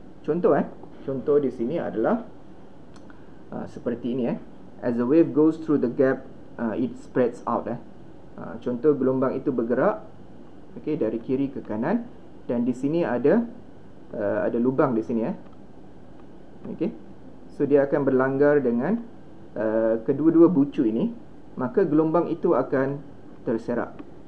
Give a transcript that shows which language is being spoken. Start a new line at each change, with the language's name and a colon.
Malay: Contoh di sini adalah seperti ini.
English: As the wave goes through the gap, it spreads out.
Malay: Contoh gelombang itu bergerak, okay, dari kiri ke kanan, dan di sini ada ada lubang di sini. Okay, so dia akan berlanggar dengan kedua-dua bucu ini, maka gelombang itu akan terserak.